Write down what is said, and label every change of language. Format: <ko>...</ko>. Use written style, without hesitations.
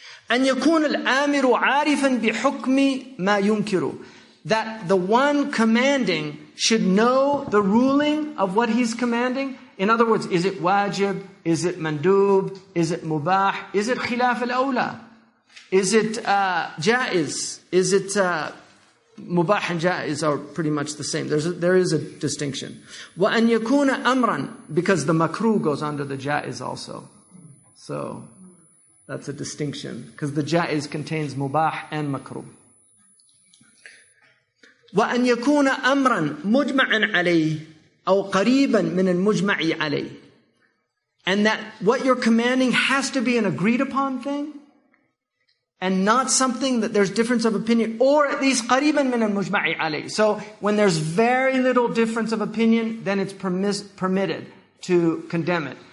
<ar>أن يكون الآمر عارفا بحكم ما ينكر.</ar> <en>That the one commanding should know the ruling of what he's commanding. In other words, is it wajib? Is it mandub? Is it mubah? Is it khilaf al-awla? Is it ja'iz? Is it mubah and ja'iz are pretty much the same. There is a distinction.</en> <ar>وَأَنْ يَكُونَ أَمْرًا</ar> <en>Because the makruh goes under the ja'iz also. So that's a distinction. Because the ja'iz contains mubah and makruh.</en> <ar>وَأَنْ يَكُونَ أَمْرًا مُجْمَعًا عَلَيْهِ أو قريبا من المجمع عليه.</ar> <en>And that what you're commanding has to be an agreed upon thing and not something that there's difference of opinion, or at least</en> <ar>قريبا من المجمع عليه.</ar> <en>So when there's very little difference of opinion, then it's permitted to condemn it.</en>